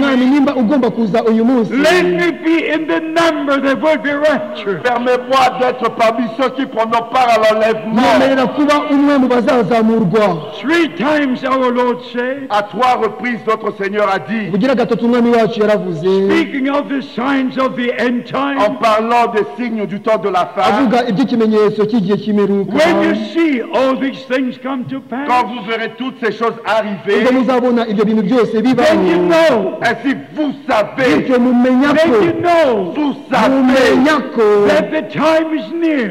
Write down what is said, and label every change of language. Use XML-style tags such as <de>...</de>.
<en>let me be in the number that will be raptured.</en> <fr>Permets-moi d'être parmi ceux qui prendront part à l'enlèvement.</fr> <en>Three times our Lord said,</en> <fr>à trois reprises notre Seigneur a dit,</fr> <en>speaking of the signs of the end time,</en> <fr>en parlant des signes du temps de la fin,</fr> <en>when you see all these things come to pass,</en> <fr>quand vous verrez toutes ces choses arriver,</fr> <en>then you know,</en> <fr>ainsi vous savez,</fr> <en>then you know, that the time is near,</en>